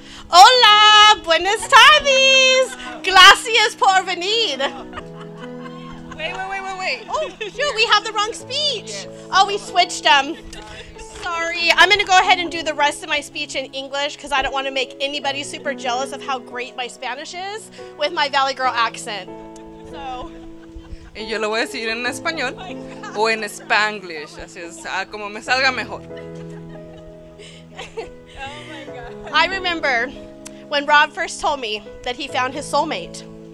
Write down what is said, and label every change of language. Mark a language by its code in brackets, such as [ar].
[es] Hola, buenas tardes. Gracias por venir. [en] Wait. Oh, shoot, we have the wrong speech. Yes. Oh, we switched them. Sorry, I'm going to go ahead and do the rest of my speech in English because I don't want to make anybody super jealous of how great my Spanish is with my Valley Girl accent. So. [es] Y yo lo voy a decir en español o en Spanglish. Así es, como me salga mejor. [en] Oh my God. I remember when Rob first told me that he found his soulmate.